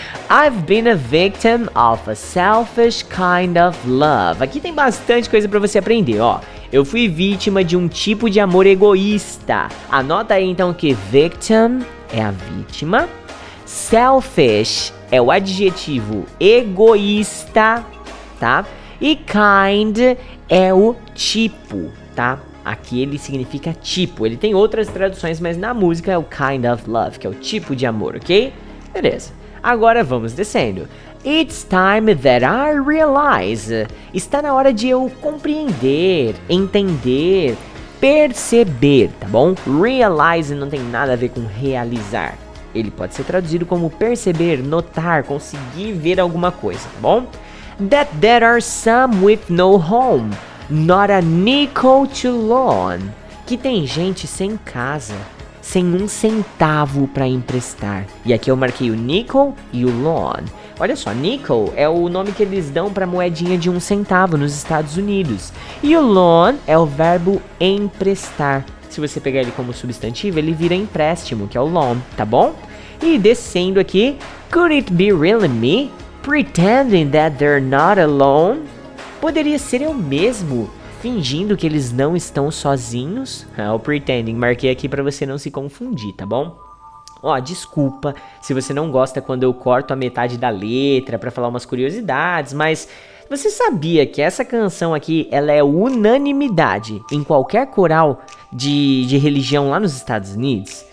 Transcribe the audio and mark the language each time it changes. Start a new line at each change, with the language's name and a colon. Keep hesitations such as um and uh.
English: I've been a victim of a selfish kind of love.
Portuguese: Aqui tem bastante coisa para você aprender, ó. Eu fui vítima de um tipo de amor egoísta. Anota aí então que victim é a vítima. Selfish é o adjetivo egoísta, tá? E kind é o tipo, tá? Aqui ele significa tipo. Ele tem outras traduções, mas na música é o kind of love, que é o tipo de amor, ok? Beleza. Agora vamos descendo.
English: It's time that I realize.
Portuguese: Está na hora de eu compreender, entender, perceber, tá bom? Realize não tem nada a ver com realizar. Ele pode ser traduzido como perceber, notar, conseguir ver alguma coisa, tá bom?
English: that there are some with no home, not a nickel to loan.
Portuguese: Que tem gente sem casa, sem um centavo para emprestar. E aqui eu marquei o nickel e o loan. Olha só, nickel é o nome que eles dão para moedinha de um centavo nos Estados Unidos. E o loan é o verbo emprestar. Se você pegar ele como substantivo, ele vira empréstimo, que é o loan, tá bom? E descendo aqui,
English: could it be really me? pretending that they're not alone?
Portuguese: Poderia ser eu mesmo fingindo que eles não estão sozinhos? É o pretending, marquei aqui para você não se confundir, tá bom? Ó, desculpa se você não gosta quando eu corto a metade da letra para falar umas curiosidades, mas você sabia que essa canção aqui, ela é unanimidade em qualquer coral de, de religião lá nos Estados Unidos?